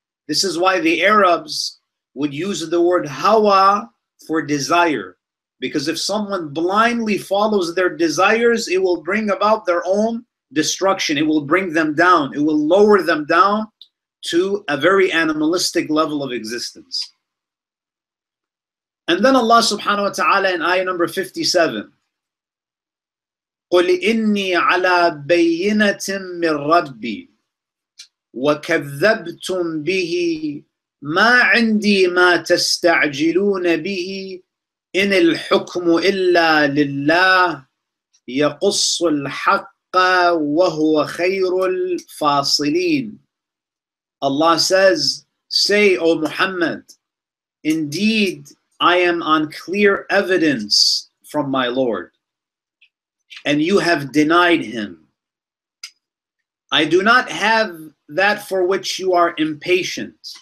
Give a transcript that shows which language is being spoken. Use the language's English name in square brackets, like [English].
[English] This is why the Arabs would use the word hawa for desire, because if someone blindly follows their desires, it will bring about their own destruction. It will bring them down. It will lower them down to a very animalistic level of existence. And then Allah subhanahu wa ta'ala in ayah number 57, [Arabic] قُلْ إِنِّي عَلَى بَيِّنَةٍ مِّن رَبِّي وَكَذَّبْتُمْ بِهِ مَا عِنْدِي مَا تَسْتَعْجِلُونَ بِهِ إِنِ الْحُكْمُ إِلَّا لِلَّهِ يَقُصُّ الْحَقَّ وَهُوَ خَيْرُ الْفَاصِلِينَ. [English] Allah says, say, O Muhammad, indeed I am on clear evidence from my Lord, and you have denied him. I do not have that for which you are impatient.